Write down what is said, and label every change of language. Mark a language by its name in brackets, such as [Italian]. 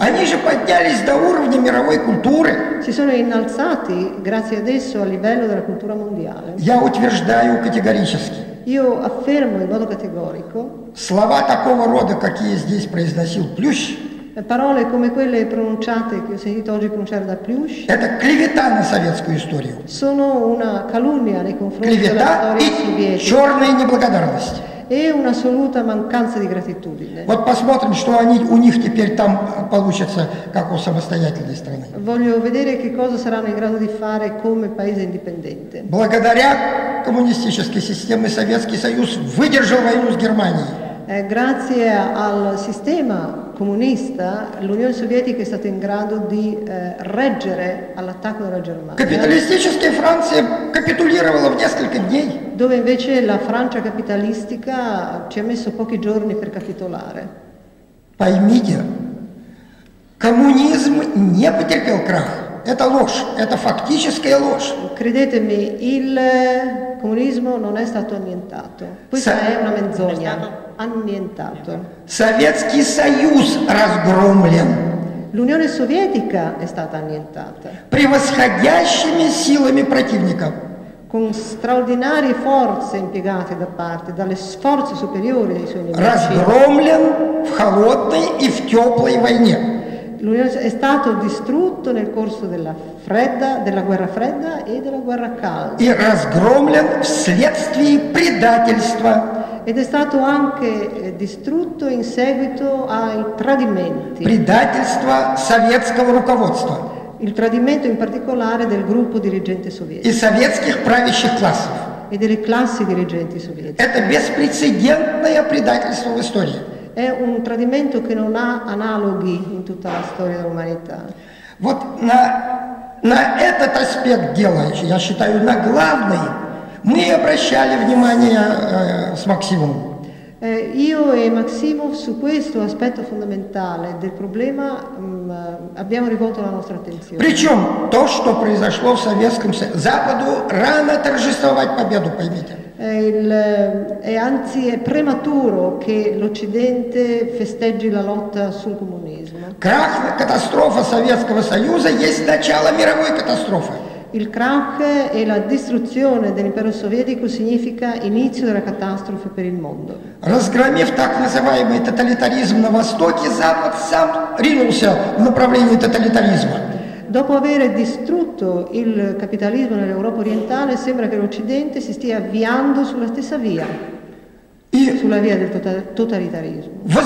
[Russian] Они же поднялись до уровня мировой культуры. [Italian] Si sono innalzati grazie ad esso a livello della cultura mondiale. [Russian] Я утверждаю категорически. [Italian] Io affermo in modo categorico. [Russian] Слова такого рода, какие здесь произносил Плющ. [Italian] Parole come quelle pronunciate che ho sentito oggi pronunciare da Plющ. [Russian] Это клевета на советскую историю. [Italian] Sono una calunnia nei confronti della storia sovietica. [Russian] И чёрная неблагодарность. [Italian] E un'assoluta mancanza di gratitudine. [Russian] Вот посмотрим, что они у них теперь там получится как у самостоятельной страны. [Italian] Voglio vedere che cosa saranno in grado di fare come paese indipendente. [Russian] Благодаря коммунистической системе Советский Союз выдержал войну с Германией. [Italian] Grazie al sistema comunista l'Unione Sovietica è stata in grado di reggere all'attacco della Germania. [Russian] Капиталистическая Франция капитулировала в несколько дней. [Italian] Dove invece la Francia capitalistica ci ha messo pochi giorni per capitolare. [Russian] Поймите, коммунизм не потерпел крах. Это ложь, это фактическая ложь. [Italian] Credetemi, il comunismo non è stato annientato. Questa è una menzogna. Annientato. [Russian] Советский Союз разгромлен. [Italian] L'Unione Sovietica è stata annientata. [Russian] Превосходящими силами противника. [Italian] Con straordinarie forze impiegate da parte dalle forze superiori dei suoi nemici. [Russian] Разгромлен в холодной и в теплой войне. [Italian] L'Unione è stato distrutto nel corso della guerra fredda e della guerra calda. [Russian] И разгромлен вследствие предательства. [Italian] Ed è stato anche distrutto in seguito ai tradimenti. [Russian] Предательство советского руководства. [Italian] Il tradimento in particolare del gruppo dirigente sovietico. [Russian] И советских правящих классов. [Italian] E delle classi dirigenti sovietiche. [Russian] Это беспрецедентное предательство в истории. [Italian] È un tradimento che non ha analoghi in tutta la storia dell'umanità. [Russian] Вот на этот аспект дела, я считаю, на главный. Мы обращали внимание с Максимом. [Italian] Io e Maximov su questo aspetto fondamentale del problema abbiamo rivolto la nostra attenzione. [Russian] Причем то, что произошло в Советском Союзе, Западу рано торжествовать победу, поймите. [Italian] Anzi è prematuro che l'Occidente festeggi la lotta sul comunismo. [Russian] Крах, катастрофа Советского Союза есть начало мировой катастрофы. [Italian] Il crack e la distruzione dell'impero sovietico significa inizio della catastrofe per il mondo. [Russian] Разгромив так называемый тоталитаризм на востоке, Запад сам ринулся в направлении тоталитаризма. [Italian] Dopo aver distrutto il capitalismo nell'Europa orientale, sembra che l'Occidente si stia avviando sulla stessa via. И sulla via del totalitarismo.